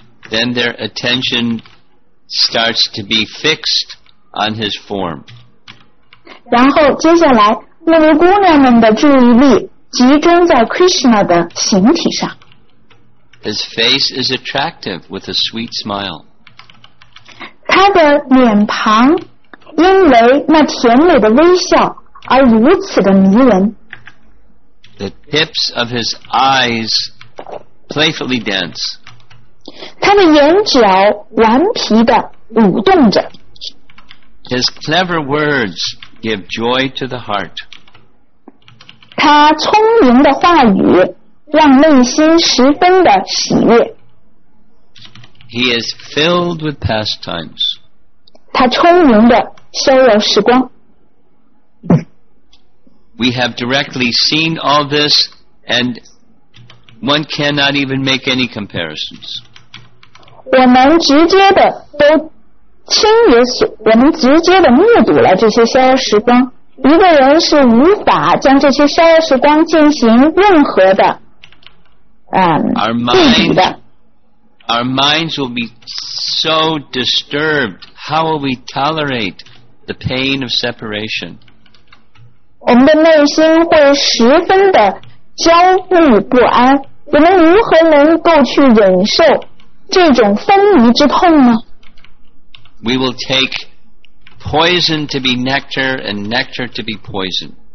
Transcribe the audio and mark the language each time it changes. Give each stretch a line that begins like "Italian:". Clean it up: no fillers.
English: Then their attention starts to be fixed. On his form.
Chinese: 然后接下来，那位姑娘们的注意力集中在 Krishna 的形体上。
English: His face is attractive with a sweet smile.
Chinese: 他的脸庞因为那甜美的微笑而如此的迷人。
English: The tips of his eyes playfully dance.
Chinese: 他的眼角顽皮的舞动着。
English: His clever words give joy to the heart.
Chinese: 他聪明的话语让内心十分的喜悦。
English: He is filled with pastimes.
Chinese: 他充盈的逍遥时光。
English: We have directly seen all this, and one cannot even make any comparisons.
Chinese: 我们直接的都亲眼所，我们直接的目睹了这些逍遥时光。一个人是无法将这些逍遥时光进行任何的，对比的。
English: Our minds will be so disturbed. How will we tolerate the pain of separation?
Chinese: 我们的内心会十分的焦虑不安。我们如何能够去忍受这种分离之痛呢？
English: We will take poison to be nectar and nectar to be poison.